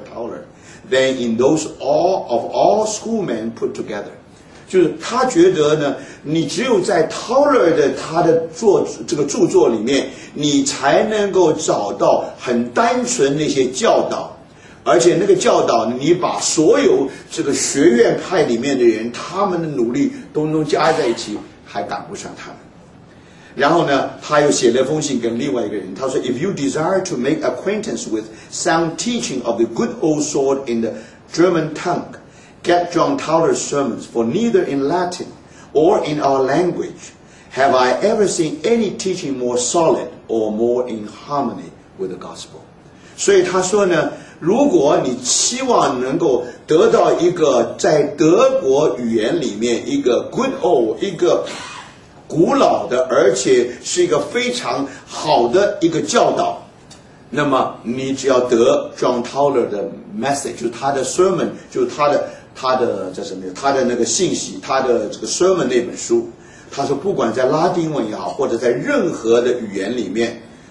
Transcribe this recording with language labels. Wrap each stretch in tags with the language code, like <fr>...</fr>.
<en>Towler than in those all of all schoolmen put together。</en> <zh>就是他觉得呢，你只有在 Towler 的他的著作里面，你才能够找到很单纯那些教导，而且那个教导你把所有这个学院派里面的人他们的努力都能加在一起，还赶不上他们。然后呢他又写了封信给另外一个人，他说</zh> <en>If you desire to make acquaintance with sound teaching of the good old sort in the German tongueGet John Towler's sermons, for neither in Latin or in our language have I ever seen any teaching more solid or more in harmony with the gospel.</en> <zh>所以他说呢，如果你期望能够得到一个在德国语言里面一个 good old, 一个古老的，而且是一个非常好的一个教导，那么你只要得 John Towler 的 message, 就是他的 sermon, 就是他的那个信息，他的这个 sermon 那本书，他说不管在拉丁文也好，或者在任何的语言里面，</zh>